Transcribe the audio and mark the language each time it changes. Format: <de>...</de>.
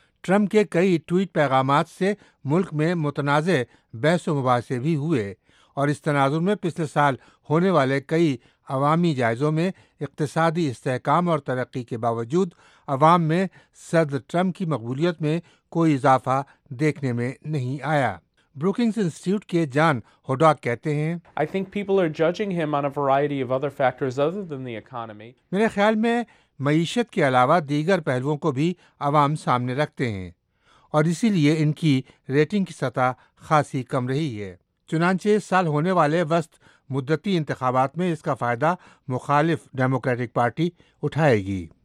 <ur>Trump کے کئی tweet پیغامات سے ملک میں متنازع بحث و مباحثے بھی ہوئے اور اس تناظر میں پچھلے سال ہونے والے کئی عوامی جائزوں میں اقتصادی استحکام اور ترقی کے باوجود عوام میں صدر ٹرمپ کی مقبولیت میں کوئی اضافہ دیکھنے میں نہیں آیا. Brookings Institute کے جان ہوڈاک کہتے ہیں,</ur> <en>I think people are judging him on a variety of other factors other than the economy.</en> <ur>میرے خیال میں معیشت کے علاوہ دیگر پہلوؤں کو بھی عوام سامنے رکھتے ہیں اور اسی لیے ان کی ریٹنگ کی سطح خاصی کم رہی ہے. چنانچہ سال ہونے والے وسط مدتی انتخابات میں اس کا فائدہ مخالف ڈیموکریٹک پارٹی اٹھائے گی.</ur>